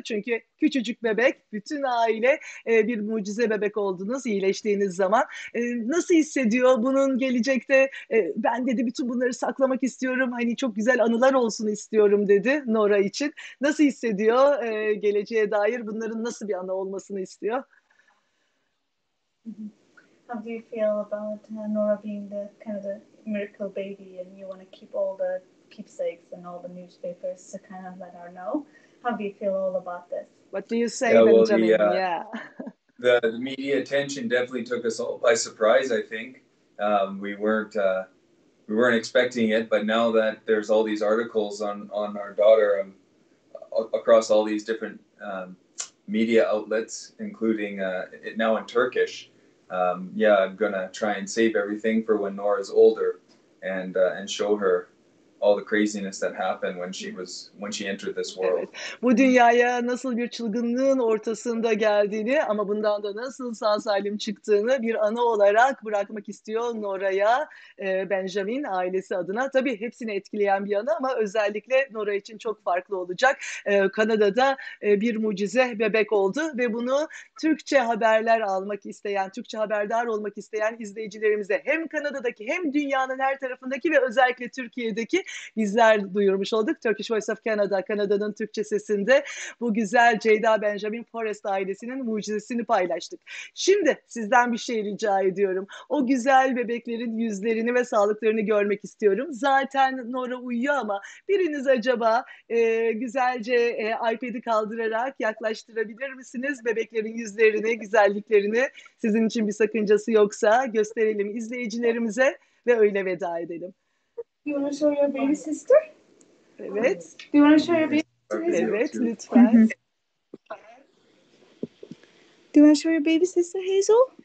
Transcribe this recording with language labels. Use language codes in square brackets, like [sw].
[tr] Çünkü küçücük bebek, bütün aile bir mucize bebek oldunuz iyileştiğiniz zaman. Nasıl hissediyor bunun gelecekte? Ben dedi bütün bunları saklamak istiyorum. Hani çok güzel anılar olsun istiyorum dedi Nora için. Nasıl hissediyor geleceğe dair, bunların nasıl bir anı olmasını istiyor? [en] How do you feel about Nora being the kind of the miracle baby, and you want to keep all the keepsakes and all the newspapers to kind of let her know? How do you feel all about this? What do you say, Benjamin? The media attention definitely took us all by surprise. I think we weren't expecting it, but now that there's all these articles on our daughter across all these different media outlets, including it now in Turkish. I'm gonna try and save everything for when Nora's older, and show her all the craziness that happened when she entered this world. [tr] Evet. Bu dünyaya nasıl bir çılgınlığın ortasında geldiğini ama bundan da nasıl sağ salim çıktığını bir ana olarak bırakmak istiyor Nora'ya, Benjamin ailesi adına. Tabii hepsini etkileyen bir anı ama özellikle Nora için çok farklı olacak. Kanada'da bir mucize bebek oldu ve bunu Türkçe haberler almak isteyen, Türkçe haberdar olmak isteyen izleyicilerimize hem Kanada'daki hem dünyanın her tarafındaki ve özellikle Türkiye'deki bizler duyurmuş olduk. Turkish Voice of Canada, Kanada'nın Türkçe sesinde bu güzel Ceyda Benjamin Forrest ailesinin mucizesini paylaştık. Şimdi sizden bir şey rica ediyorum. O güzel bebeklerin yüzlerini ve sağlıklarını görmek istiyorum. Zaten Nora uyuyor ama biriniz acaba güzelce iPad'i kaldırarak yaklaştırabilir misiniz? Bebeklerin yüzlerini, güzelliklerini, sizin için bir sakıncası yoksa gösterelim izleyicilerimize ve öyle veda edelim. [en] Do you want to show your baby sister? [tr] Evet. [en] Do you want to show your baby sister? [tr] Evet, lütfen. [en] Do you want to show your baby sister Hazel?